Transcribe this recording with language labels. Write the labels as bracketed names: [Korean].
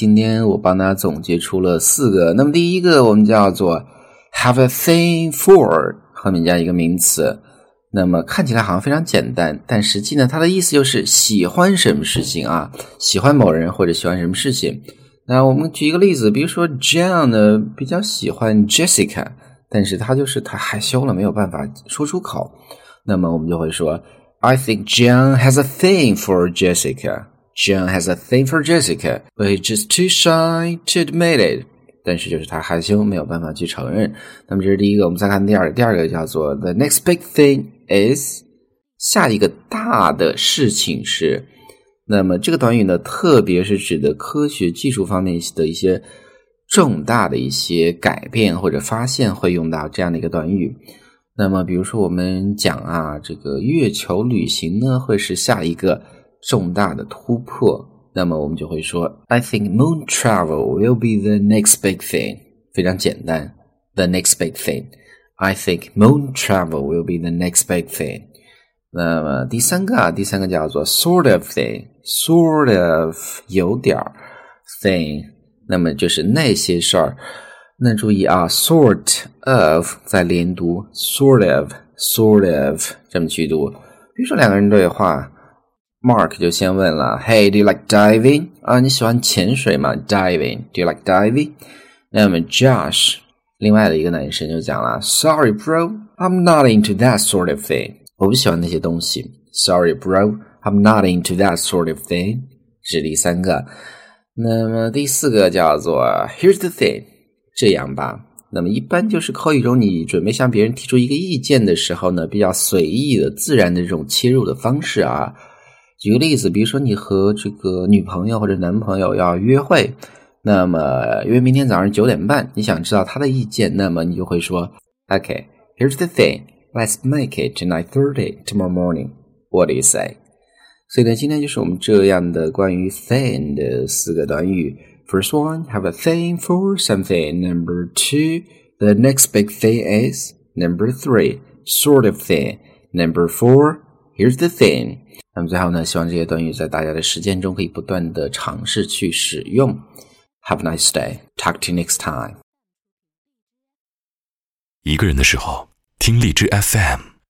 [Chinese] 今天我帮大家总结出了四个。那么第一个我们叫做 [English] have a thin fur， [Chinese] 后面加一个名词，那么看起来好像非常简单，但实际呢，它的意思就是喜欢什么事情啊，喜欢某人或者喜欢什么事情。那我们举一个例子，比如说 John 呢比较喜欢 Jessica， 但是他就是太害羞了，没有办法说出口。那么我们就会说 [English] I think John has a thing for Jessica. John has a thing for Jessica, but he's just too shy to admit it. [Chinese] 但是就是他害羞，没有办法去承认。那么这是第一个，我们再看第二个。第二个叫做 [English] The next big thing is， [Chinese] 下一个大的事情是。那么这个短语呢，特别是指的科学技术方面的一些重大的一些改变或者发现会用到这样的一个短语。那么比如说我们讲啊，这个月球旅行呢会是下一个重大的突破，那么我们就会说 [English] I think moon travel will be the next big thing， [Chinese] 非常简单， [English] the next big thing， I think moon travel will be the next big thing。 [Chinese] 那么第三个啊，第三个叫做 [English] sort of thing， [Chinese] sort of 有点 thing， 那么就是那些事儿。那注意啊， sort of 在连读， sort of， sort of 这么去读。比如说两个人对话， Mark 就先问了， [English] Hey do you like diving？ [Chinese] 啊，你喜欢潜水吗？ [English] Diving， do you like diving？ [Chinese] 那么 Josh 另外的一个男生就讲了， [English] Sorry bro， I'm not into that sort of thing， [Chinese] 我不喜欢那些东西。 [English] Sorry, bro, I'm not into that sort of thing. [Chinese] 是第三个。那么第四个叫做 [English] Here's the thing. [Chinese] 这样吧。那么一般就是口语中你准备向别人提出一个意见的时候呢，比较随意的、自然的这种切入的方式啊。举个例子，比如说你和这个女朋友或者男朋友要约会，那么因为明天早上9:30，你想知道他的意见，那么你就会说 [English] Okay, here's the thing. Let's make it to 9:30 tomorrow morning. What do you say? [Chinese] 所以呢，今天就是我们这样的关于 thin 的四个短语。 [English] First one, have a thing for something. Number two, the next big thing is. Number three, sort of thing. Number four, here's the thing. [Chinese] 那么最后呢，希望这些短语在大家的实践中可以不断的尝试去使用。 [English] Have a nice day. Talk to you next time. [Chinese] 一个人的时候。听荔枝 FM。